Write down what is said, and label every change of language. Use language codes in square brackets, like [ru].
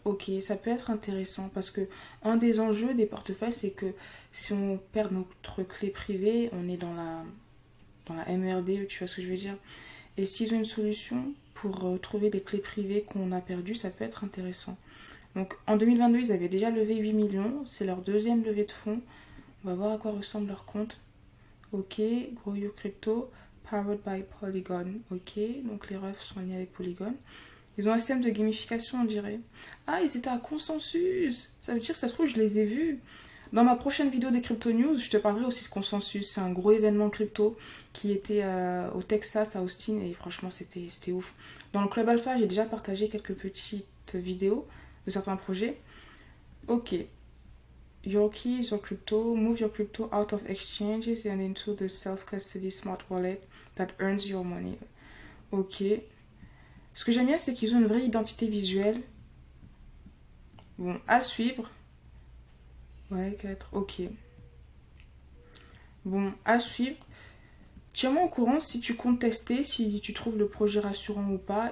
[fr] Ok, ça peut être intéressant parce que un des enjeux des portefeuilles, c'est que si on perd notre clé privée, on est dans la MRD, tu vois ce que je veux dire. Et s'ils ont une solution pour trouver des clés privées qu'on a perdues, ça peut être intéressant. Donc en 2022, ils avaient déjà levé 8 millions. C'est leur deuxième levée de fonds. On va voir à quoi ressemble leur compte. [en] Ok, Grow Your Crypto, powered by Polygon. [fr] Ok, donc les refs sont liés avec Polygon. Ils ont un système de gamification, on dirait. Ah, ils étaient à Consensus. Ça veut dire que ça se trouve, je les ai vus. Dans ma prochaine vidéo des Crypto News, je te parlerai aussi de Consensus. C'est un gros événement crypto qui était au Texas, à Austin. Et franchement, c'était ouf. Dans le Club Alpha, j'ai déjà partagé quelques petites vidéos de certains projets. [en] Ok. Your keys, your crypto. Move your crypto out of exchanges and into the self-custody smart wallet that earns your money. Ok. [fr] Ce que j'aime bien, c'est qu'ils ont une vraie identité visuelle. Bon, à suivre. Ouais, 4. Ok. Bon, à suivre. Tiens-moi au courant si tu comptes tester, si tu trouves le projet rassurant ou pas.